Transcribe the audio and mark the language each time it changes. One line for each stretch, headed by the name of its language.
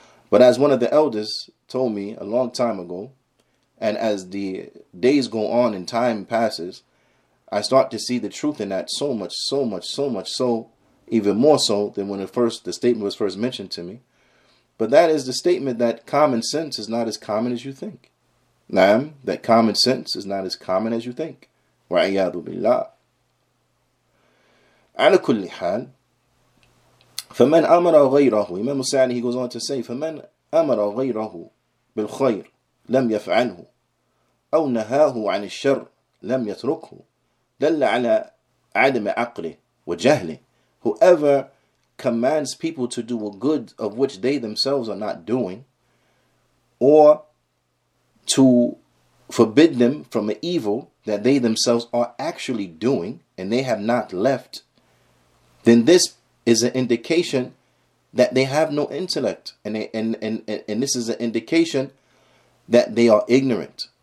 English: But as one of the elders told me a long time ago, and as the days go on and time passes, I start to see the truth in that so much, even more so than when the statement was first mentioned to me. But that is the statement that common sense is not as common as you think. Naam. That common sense is not as common as you think.
Arabic: وعياذ بالله على كل حال فمن أمر غيره.
English: Imam Musa'ani, he goes on to say,
Arabic: فمن أمر غيره بالخير لم يفعله أو نهاه عن الشر لم يتركه دل على عدم عقله وجهله.
English: Whoever commands people to do a good of which they themselves are not doing, or to forbid them from an evil that they themselves are actually doing and they have not left, then this is an indication that they have no intellect, and this is an indication that they are ignorant.